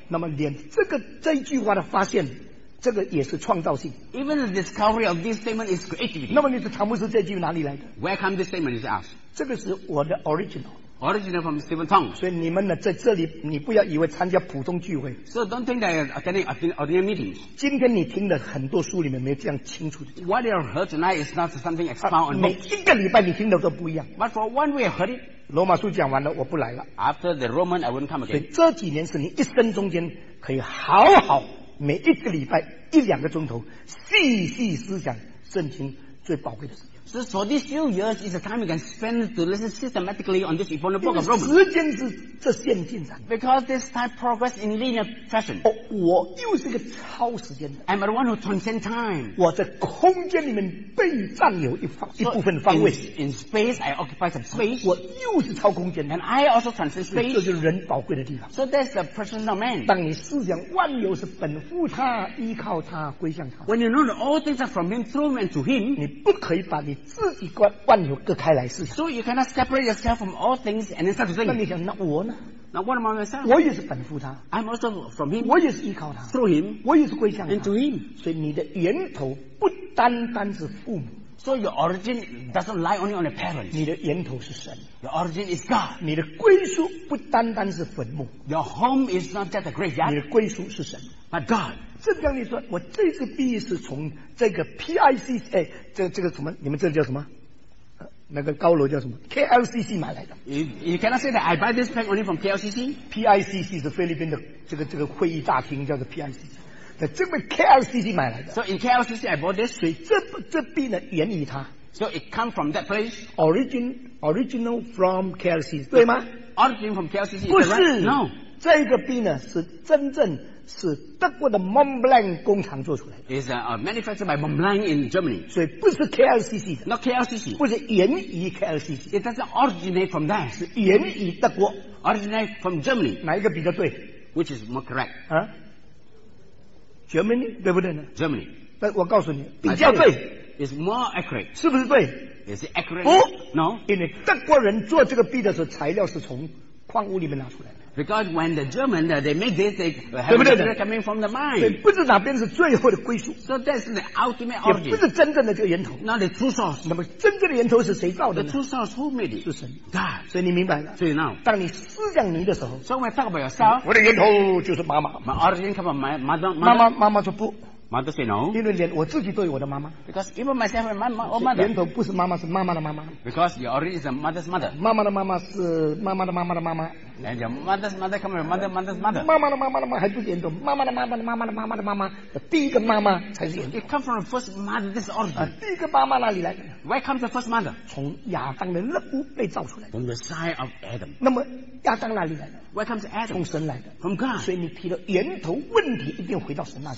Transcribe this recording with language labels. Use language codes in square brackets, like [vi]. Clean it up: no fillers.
[zh] 那么连这个这一句话的发现这个也是创造性。 [en] Even the discovery of this statement is creativity. [zh] 那么你的唐牧师这句哪里来的？ [en] Where come this statement is asked? [zh] 这个是我的 original. [en] Original from Stephen Tong. [zh] 所以你们呢，在这里你不要以为参加普通聚会。 [en] So don't think that attending ordinary meetings. [zh] 今天你听的很多书里面没这样清楚的。 [en] What you heard tonight is not something expound on. [zh] 每一个礼拜你听的都不一样。 [en] But for one we heard it. [zh] 罗马书讲完了，我不来了。 [en] After the Roman, I won't come again. [zh] 所以这几年是你一生中间可以好好每一个礼拜一两个钟头细细思想圣经最宝贵的时间。 [en] So for these few years is a time you can spend to listen systematically on this important book of Romans. [zh] 时间是这线进展。 [en] Because this time progress in linear fashion. [zh] 我又是一个超时间的。 [en] I'm the one who transcends time. [zh] 我在空间里面被占有一部分方位。 [en] In space, I occupy some space. [zh] 我又是超空间的。 [en] And I also transcend space. [zh] 这就是人宝贵的地方。 [en] So that's the precious of man. [zh] 当你思想万有是本乎他，依靠他，归向他。 [en] When you know that all things are from him, through him, and to him. [zh] 你不可以把你自己关万有隔开来思想。 [en] So you cannot separate yourself from all things and then start to think. [zh] 那你想，那我呢？ [en] Now what about myself? [zh] 我也是本乎他。 [en] I'm also from him. [zh] 我也是依靠他。 [en] Through him. [zh] 我也是归向他。 [en] And to him. [zh] 所以你的源头不单单是父母。 [en] So your origin doesn't lie only on the parents. [zh] 你的源头是神。 [en] Your origin is God. [zh] 你的归宿不单单是坟墓。 [en] Your home is not just a graveyard. [zh] 你的归宿是神。 [en] But God. [zh] 正像你说，我这次毕业是从这个 PIC， 哎，这个什么？你们这叫什么？那个高楼叫什么 KLCC 买来的。 [en] You cannot say that I buy this bank only from KLCC. [zh] PICC 是菲律宾的这个会议大厅，叫做 PICC。这个 KLCC 买来的。 [en] So in KLCC I bought this. [zh] 所以这币呢源于它。 [en] So it come from that place. Original from KLCC [zh] 对吗？ [en] Origin from KLCC [zh] 不是、 [en] right? No. [zh] 这个币呢是真正是德国的 Montblanc 工厂做出来的。 [en] Is manufactured by Montblanc in Germany. [zh] 所以不是 KLCC 的。 [en] Not KLCC. [zh] 不是源于 KLCC. [en] It doesn't originate from that. [zh] 是源于德国。 [en] Originate from Germany. [zh] 哪一个比较对？ [en] Which is more correct? [zh] Germany 对不对呢？ [en] Germany. [zh] 但我告诉你，比较对。 [en] Is more accurate. [zh] 是不是对？ [en] Is it accurate? [zh] 不。 [en] No. [zh] 因为德国人做这个币的时候，材料是从矿物里面拿出来的。 [en] Because when the German they make this, they have a material coming from the mine. [zh] 不知哪边是最后的归宿。 [en] So that's the ultimate origin. [zh] 也不是真正的这个源头。 [en] Not the true source. [zh] 那么真正的源头是谁造的呢？ [en] The true source who made it? [zh] 是神。 [en] God. [zh] 所以你明白了。 [en] So you know. [zh] 当你思想你的时候。 [en] So when I talk about yourself. [zh] 我的源头就是妈妈。 [en] My origin come from my mother. [zh] 妈妈说不。 [en] Mother say no. [zh] 因为连我自己都有我的妈妈。 [en] Because even myself and my mother. [zh] 源头不是妈妈，是妈妈的妈妈。 [en] Because your origin is mother's mother. [zh] 妈妈的妈妈是妈妈的妈妈的妈妈。 [en] And your mother's mother come from mother, mother's mother. [zh] 妈妈的妈妈的妈妈还不严重，妈妈的妈妈的妈妈的妈妈的妈妈的第一个妈妈才是严重。 [en] It come from the first mother, this origin. [zh] 第一个妈妈哪里来的？ [en] Where comes the first mother? [zh] 从亚当的肋骨被造出来的。 [en] From the side of Adam. [zh] 那么亚当哪里来的？ [en] Where comes Adam? [zh] 从神来的。 [en] From God. [zh] 所以你提的源头问题一定回到神那里。